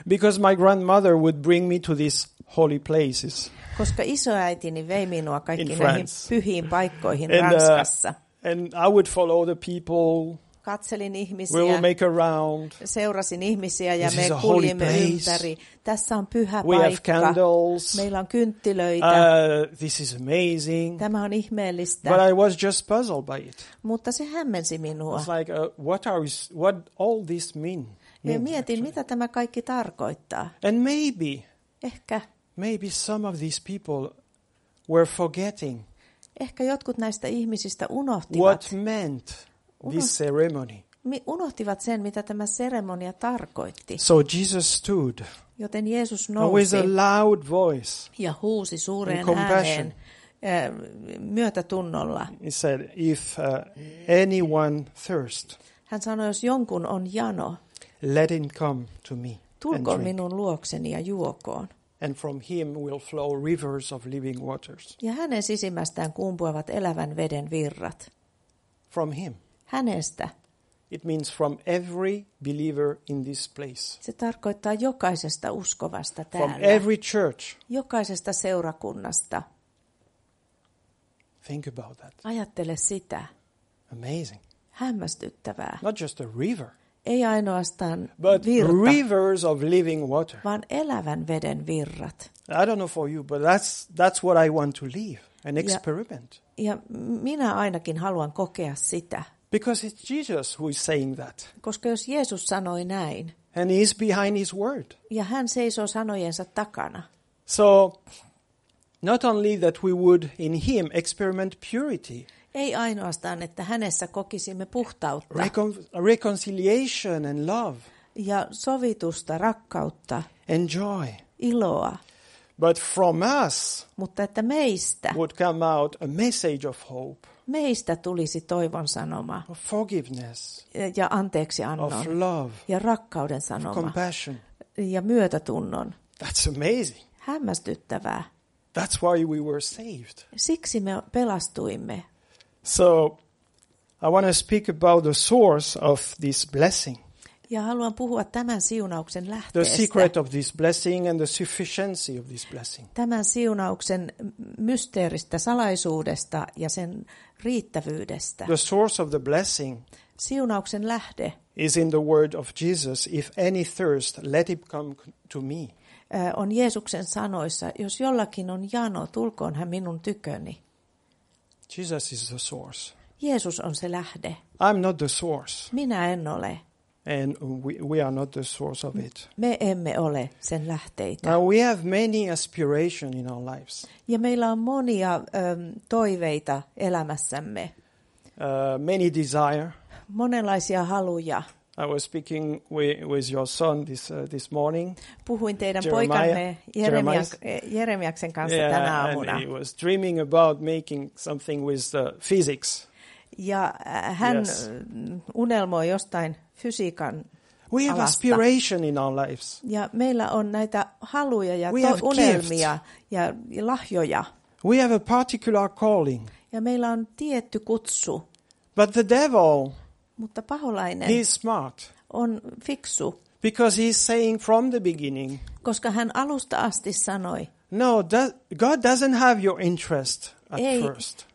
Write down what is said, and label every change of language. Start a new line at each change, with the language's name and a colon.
English: Because my grandmother would bring me to these holy places.
Finnish: Koska isoäitini vei minua kaikkiin
English: in France.
Finnish: Näihin pyhiin paikkoihin Ranskassa.
English: And I would follow the people.
Finnish: Katselin ihmisiä.
English: We would make a round.
Finnish: Seurasin ihmisiä ja me kuljimme ympäri. Tässä on pyhä
English: we
Finnish: paikka.
English: We have candles.
Finnish: Meillä on kynttilöitä.
English: This is amazing.
Finnish: Tämä on ihmeellistä.
English: But I was just puzzled by it.
Finnish: Mutta se hämmensi minua.
English: It's like what all this mean?
Finnish: Ja mietin mitä tämä kaikki tarkoittaa.
English: And maybe.
Finnish: Ehkä.
English: Maybe some of these people were forgetting
Finnish: Ehkä jotkut näistä ihmisistä unohtivat.
English: What meant this ceremony?
Finnish: Unohtivat sen, mitä tämä seremonia tarkoitti.
English: So Jesus stood.
Finnish: Joten Jeesus nousi.
English: With a loud voice.
Finnish: Ja huusi suureen ääneen. Myötätunnolla.
English: He said, if anyone thirst.
Finnish: Hän sanoi, jos jonkun on jano.
English: Let him come to me.
Finnish: Tulko minun luokseni ja juokoon.
English: And from him will flow rivers of living waters.
Finnish: Ja hänen sisimmästään kumpuavat elävän veden virrat.
English: From him.
Finnish: Hänestä.
English: It means from every believer in this place.
Finnish: Se tarkoittaa jokaisesta uskovasta täällä.
English: From every church.
Finnish: Jokaisesta seurakunnasta.
English: Think about that.
Finnish: Ajattele sitä.
English: Amazing.
Finnish: Hämmästyttävää.
English: Not just a river.
Finnish: Ei ainoastaan
English: but
Finnish: virta,
English: rivers of living water.
Finnish: Vaan elävän veden virrat.
English: I don't know for you, but that's what I want to live, an experiment.
Finnish: Ja minä ainakin haluan kokea sitä.
English: Because it's Jesus who is saying that.
Finnish: Koska jos Jeesus sanoi näin.
English: And he is behind his word.
Finnish: Ja hän seisoo sanojensa takana.
English: So not only that we would in him experiment purity.
Finnish: Ei ainoastaan, että hänessä kokisimme puhtautta.
English: Reconciliation and love.
Finnish: Ja sovitusta, rakkautta.
English: And joy.
Finnish: Iloa.
English: But from us.
Finnish: Mutta että meistä.
English: Would come out a message of hope.
Finnish: Meistä tulisi toivon sanoma.
English: Of forgiveness.
Finnish: Ja anteeksiannon.
English: Of love.
Finnish: Ja rakkauden sanoma.
English: Of compassion.
Finnish: Ja myötätunnon.
English: That's amazing.
Finnish: Hämmästyttävää.
English: That's why we were saved.
Finnish: Siksi me pelastuimme.
English: So I want to speak about the source of this blessing.
Finnish: Ja haluan puhua tämän siunauksen lähteestä.
English: The secret of this blessing and the sufficiency of this blessing.
Finnish: Tämän siunauksen mysteeristä, salaisuudesta ja sen riittävyydestä.
English: The source of the blessing.
Finnish: Siunauksen lähde.
English: Is in the word of Jesus, if any thirst, let him come to me.
Finnish: On Jeesuksen sanoissa, jos jollakin on jano, tulkoon hän minun tyköni.
English: Jesus is the source.
Finnish: Jeesus on se lähde.
English: I'm not the source.
Finnish: Minä en ole.
English: And we are not the source of it.
Finnish: Me emme ole sen lähteitä.
English: Now we have many aspiration in our lives.
Finnish: Ja meillä on monia toiveita elämässämme.
English: Many desire.
Finnish: Monenlaisia haluja.
English: I was speaking with your son this morning.
Finnish: Puhuin teidän poikanne Jeremiaksen kanssa
English: yeah,
Finnish: tänä aamuna.
English: And he was dreaming about making something with the physics.
Finnish: Ja hän
English: yes.
Finnish: Unelmoi jostain fysiikan alasta.
English: We have aspiration in our lives.
Finnish: Ja meillä on näitä haluja ja unelmia ja lahjoja.
English: We have a particular calling.
Finnish: Ja meillä on tietty kutsu.
English: But the devil.
Finnish: Mutta paholainen
English: he's smart.
Finnish: On fiksu.
English: Because he's saying from the beginning.
Finnish: Koska hän alusta asti sanoi.
English: No, God doesn't have your interest at
Finnish: ei,
English: first.